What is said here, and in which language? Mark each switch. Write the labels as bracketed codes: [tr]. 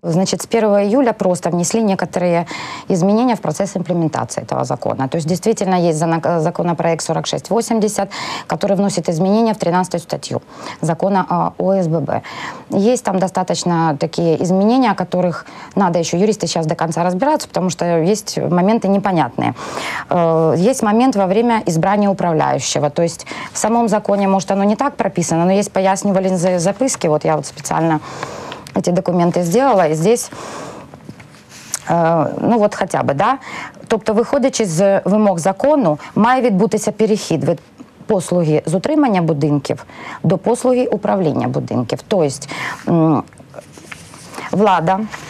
[uk] Значить, з 1 июля просто внесли некоторі зміни в процес імплементації цього закону. Тобто, дійсно, є законопроект 4680, який вносить зміни в 13 статтю закону ОСББ. Є там достатньо такі зміни, о яких треба ще юристи зараз до кінця розбиратися, тому що є моменти непонятні. [ru] Є момент во время избрания управляющего. Тобто, сам в самом законе, может, оно не так прописано, но есть [uk] пояснювальні записки. [ru] Вот я вот специально эти документы сделала. И здесь, ну вот хотя бы, да, [uk] тобто, виходячи з вимог закону, має відбутися перехід від послуги з утримання будинків до послуги управління будинків. Тобто, влада.